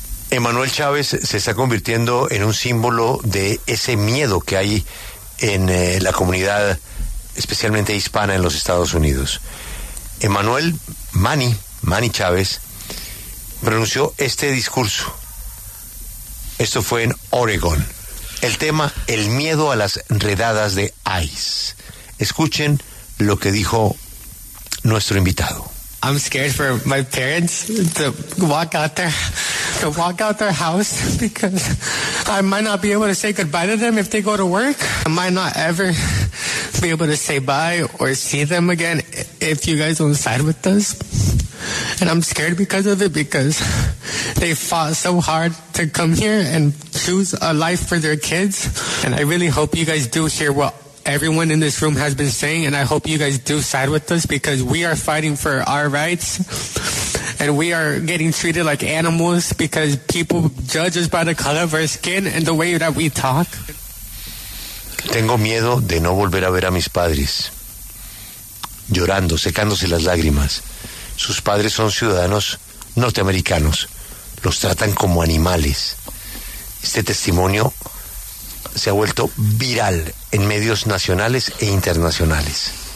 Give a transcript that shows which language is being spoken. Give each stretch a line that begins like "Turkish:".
Spanish: Emmanuel Chávez se está convirtiendo en un símbolo de ese miedo que hay en la comunidad, especialmente hispana, en los Estados Unidos. Emmanuel Manny Chávez pronunció este discurso. Esto fue en Oregón. El tema, el miedo a las redadas de ICE. Escuchen lo que dijo nuestro invitado.
English: I'm scared for my parents to walk out their house because I might not be able to say goodbye to them if they go to work. I might not ever be able to say bye or see them again if you guys don't side with us. And I'm scared because of it, because they fought so hard to come here and choose a life for their kids. And I really hope you guys do hear what everyone in this room has been saying, and I hope you guys do side with us, because we are fighting for our rights and we are getting treated like animals because people judge us by the color of our skin and the way that we talk.
Spanish: Tengo miedo de no volver a ver a mis padres, llorando, secándose las lágrimas. Sus padres son ciudadanos norteamericanos, los tratan como animales. Este testimonio se ha vuelto viral en medios nacionales e internacionales.